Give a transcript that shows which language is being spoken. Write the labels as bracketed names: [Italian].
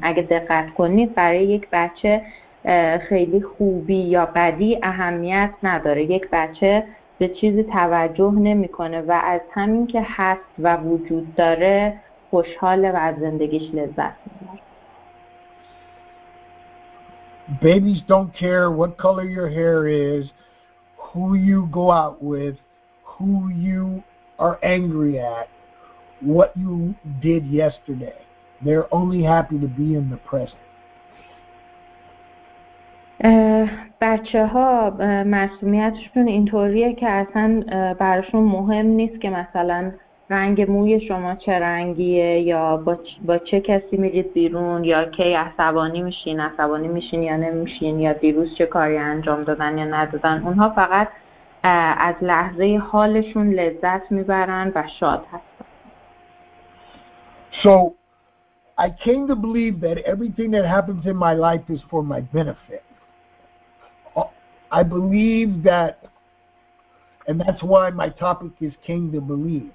[Persian] اگه دقت کنید برای یک بچه خیلی خوبی یا بدی اهمیت نداره، یک بچه به چیزی توجه نمی کنه و از همین که هست و وجود داره خوشحاله و از زندگیش لذت می بره. [English] Babies don't care what color your hair is, who you go out with, who you are angry at, what you did yesterday. They're only happy to be in the present. [Persian] بچه ها معصومیتشون اینطوریه که اصلا براشون مهم نیست که مثلا رنگ موی شما چه رنگیه یا با چه کسی میرید بیرون یا کی عصبانی میشین یا نمیشین یا دیروز چه کاری انجام دادن یا ندادن. اونها فقط از لحظه حالشون لذت میبرن و شاد هستن. [English] So I came to believe that everything that happens in my life is for my benefit. I believe that, and that's why my topic is came to believe.